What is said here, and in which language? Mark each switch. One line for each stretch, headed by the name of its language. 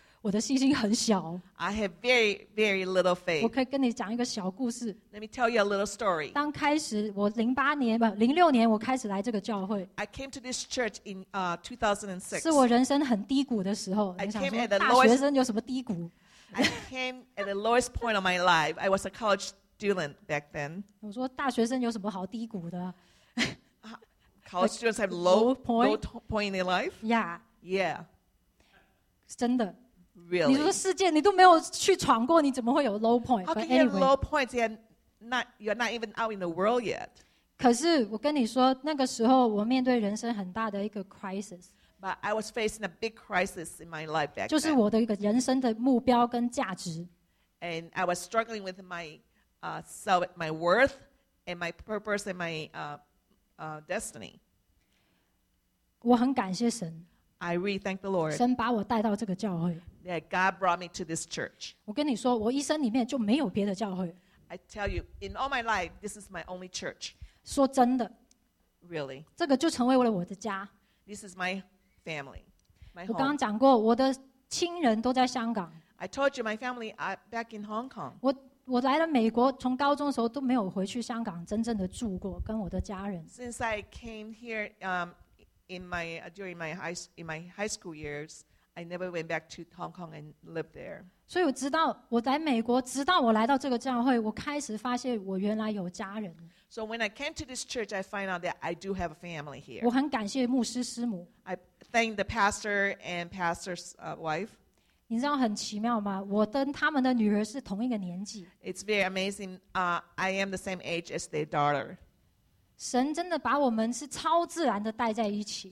Chinese: 我的信心很小。
English: I have very, very little faith.
Chinese: 我可以跟你讲一个小故事。
English: Let me tell you a little story.
Chinese: 当开始，我零八年不零六年，我开始来这个教会。
English: I came to this church in 2006.
Chinese: 是我人生很低谷的时候。大学生有什么低谷
English: ？I came at the lowest point of my life. I was a college student back then.
Chinese: 我说大学生有什么好低谷的
English: ？College students have low point in their life. Yeah. Yeah.
Chinese: 真的。
English: Really?
Chinese: 你说世界你都没有去闯过，你怎么会有
English: low point? How can you have low points? You're not even out in the world yet.
Chinese: 可是我跟你说，那个时候我面对人生很大的一个 crisis.
English: But I was facing a big crisis in my life back then.
Chinese: 就是我的一个人生的目标跟价值。
English: And I was struggling with my self, my worth, and my purpose and my destiny.
Chinese: 我很感谢神。
English: I really thank the Lord.
Chinese: 神把我带到这个教会。
English: That God brought me to this church.
Chinese: 我跟你说，我一生里面就没有别的教会。
English: I tell you, in all my life, this is my only church.
Chinese: 说真的
English: ，Really,
Chinese: 这个就成为了我的家。
English: This is my family, my home.
Chinese: 我刚刚讲过，我的亲人都在香港。
English: I told you my family are back in Hong Kong.
Chinese: 我来了美国，从高中的时候都没有回去香港真正的住过，跟我的家人。
English: Since I came here, during my high school years. I never went back to Hong Kong and lived there.
Chinese: 所以我直到我在美国，直到我来到这个教会，我开始发现我原来有家人。
English: So when I came to this church, I find out that I do have a family here.
Chinese: 我很感谢牧师师母。
English: I thank the pastor and pastor's wife.
Chinese: 你知道很奇妙吗？我跟他们的女儿是同一个年纪。
English: It's very amazing. I am the same age as their daughter.
Chinese: 神真的把我们是超自然的带在一起。